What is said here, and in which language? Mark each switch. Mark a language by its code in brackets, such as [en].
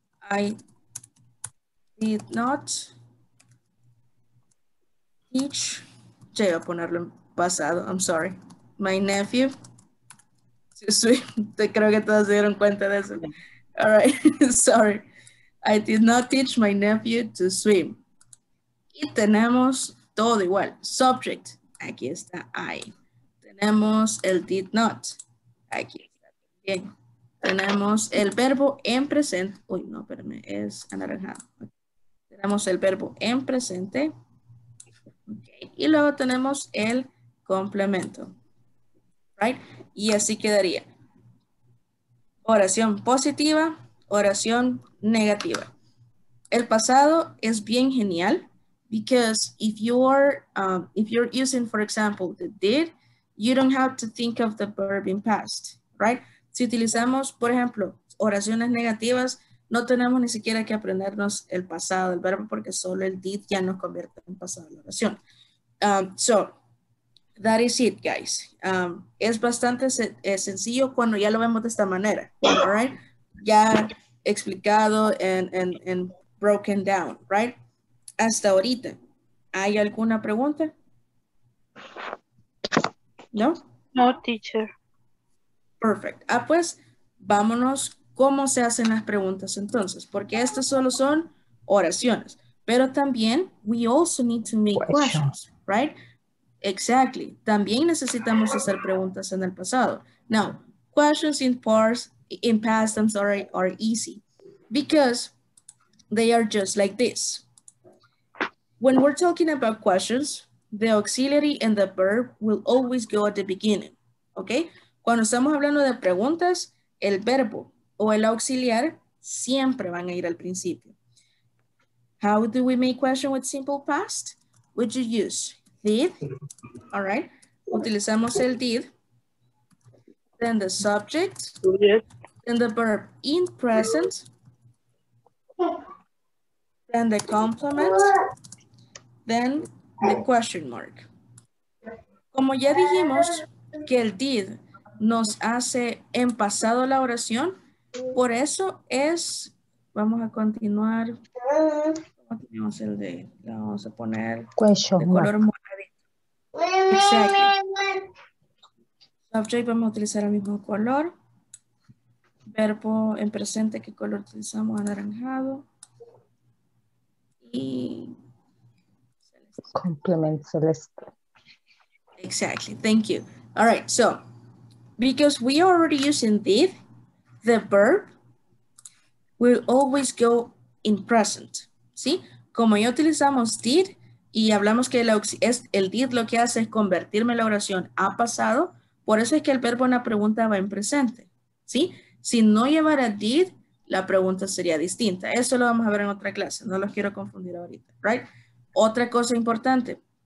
[en] I did not teach. [es] Ya iba a ponerlo en pasado. [en] I'm sorry. My nephew. [es] Sí, sí. Creo que todos se dieron cuenta de eso. All right. [en] Sorry. I did not teach my nephew to swim. [es] Y tenemos todo igual. Subject. Aquí está I. Tenemos el did not. Aquí está también. Tenemos el verbo en presente. Uy, no, espérame. Es anaranjado. Tenemos el verbo en presente. Okay. Y luego tenemos el complemento. Right? Y así quedaría. Oración positiva. Oración negativa. El pasado es bien genial [en] because if you are if you're using, for example, the did, you don't have to think of the verb in past, right? [es] Si utilizamos, por ejemplo, oraciones negativas, no tenemos ni siquiera que aprendernos el pasado del verbo porque solo el did ya nos convierte en pasado de la oración. [en] So that is it, guys. [es] Es bastante sencillo cuando ya lo vemos de esta manera, all right? Ya explicado [en] and broken down, [es] right? Hasta ahorita. ¿Hay alguna pregunta? ¿No? No, teacher. Perfect. Ah, pues, vámonos. ¿Cómo se hacen las preguntas entonces? Porque estas solo son oraciones. Pero también, [en] we also need to make questions, right? Exactly. También necesitamos hacer preguntas en el pasado. Now, questions in past. In past, I'm sorry, are easy because they are just like this. When we're talking about questions, the auxiliary and the verb will always go at the beginning, okay? [es] Cuando estamos hablando de preguntas, el verbo o el auxiliar siempre van a ir al principio. [en] How do we make question with simple past? Would you use did? All right. [es] Utilizamos el did. [en] Then the subject. Yes. Then the verb in present, then the complement, then the question mark. [es] Como ya dijimos que el did nos hace en pasado la oración, por eso es, vamos a continuar, tenemos el de, vamos a poner [en] question [es] de color moradito. Exacto. Subject, vamos a utilizar el mismo color. Verbo en presente, ¿qué color utilizamos? Anaranjado. Y celeste. Complement celeste. [en] Exactly, thank you. All right, so, because we already use indeed, the verb will always go in present. [es] ¿Sí? Como ya utilizamos did y hablamos que el did lo que hace es convertirme la oración a pasado, por eso es que el verbo en la pregunta va en presente. ¿Sí? Si no llevara did, la pregunta sería distinta. Eso lo vamos a ver en otra clase. No los quiero confundir ahorita, right? Otra cosa importante.